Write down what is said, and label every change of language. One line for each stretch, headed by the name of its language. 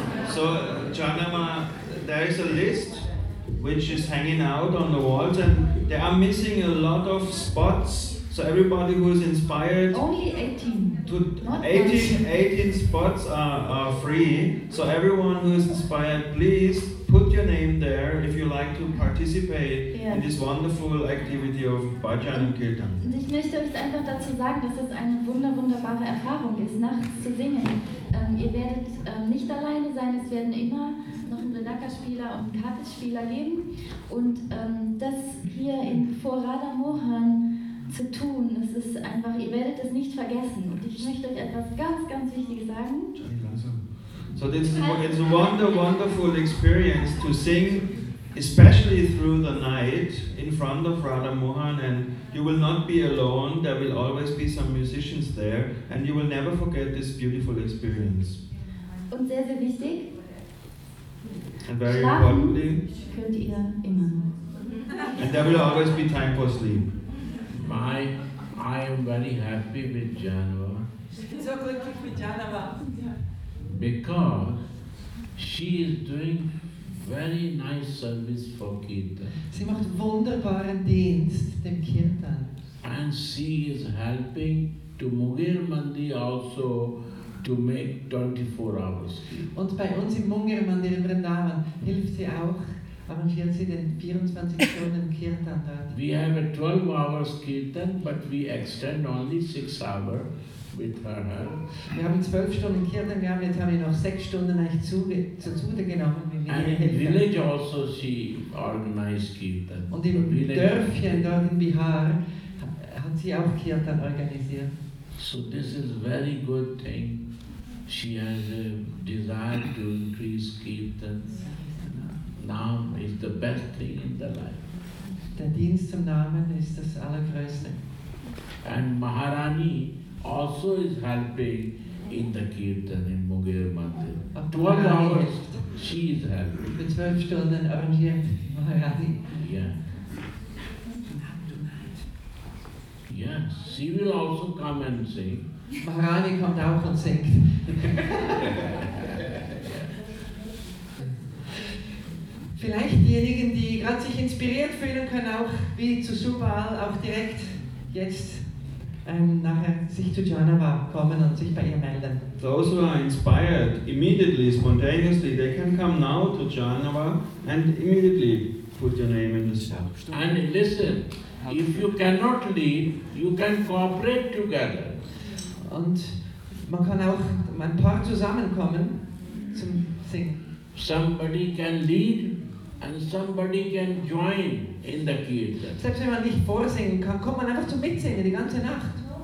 English: So, Janama, there is a list which is hanging out on the walls and they are missing a lot of spots. So everybody who is inspired, only 18. To 18 spots are free. So everyone who is inspired, please put your name there if you like to participate in this wonderful activity of Bhajan and Kirtan.
German: Und ich möchte euch einfach dazu sagen, dass es eine wunderbare Erfahrung ist, nachts zu singen. Ihr werdet nicht alleine sein, es werden immer noch ein Vrindaka-Spieler und ein Kartenspieler geben. Und das hier in Vorada Mohan zu tun, das ist einfach, ihr werdet es nicht vergessen. Und ich möchte euch etwas ganz, ganz Wichtiges sagen.
English: So this is it's a wonderful experience to sing, especially through the night in front of Radha Mohan, and you will not be alone. There will always be some musicians there, and you will never forget this beautiful experience.
German: Und sehr, sehr wichtig.
English: And very importantly.
German: Könnt ihr immer.
English: And there will always be time for sleep. I am very happy with Janava.
German: So glücklich mit Janava.
English: Because she is doing very nice service for Kirtan.
German: Sie macht wunderbaren Dienst dem Kirtan.
English: And she is helping to Mungir Mandir also to make 24 hours.
German: Und bei uns im Mungir Mandir in Vrindavan hilft sie auch, arrangiert sie den 24 Stunden Kirtan dort.
English: We have a 12 hours Kirtan, but we extend only 6 hours. With her help.
German: Wir haben 12 Stunden Kirtan gehabt, jetzt haben wir noch 6 Stunden eigentlich zu genommen.
English: And in the village also she organized Kirtan.
German: Und im Dörfchen dort in Bihar hat sie auch Kirtan organisiert.
English: So this is a very good thing. She has a desire to increase Kirtan. Now is the best thing in the life.
German: Der Dienst zum Namen ist das Allergrößte.
English: And Maharani also is helping in the kirtan in Mungir Mandir. 12 hours she is helping.
German: For 12 Stunden arrangiert Maharani.
English: Yeah. Yeah, she will also come and sing.
German: Maharani kommt auch und singt. Vielleicht diejenigen, die gerade sich inspiriert fühlen, können auch wie zu Subal auch direkt jetzt nachher sich zu Janava kommen und sich bei ihr melden.
English: Those who are inspired immediately, spontaneously, they can come now to Janava and immediately put your name in the shop. And listen, if you cannot leave, you can cooperate together.
German: Und man kann auch ein paar zusammenkommen zum Singen.
English: Somebody can lead And somebody can join in the kirtan.
German: Selbst wenn man nicht vorsingen kann, kommt man einfach zum Mitsingen die ganze Nacht.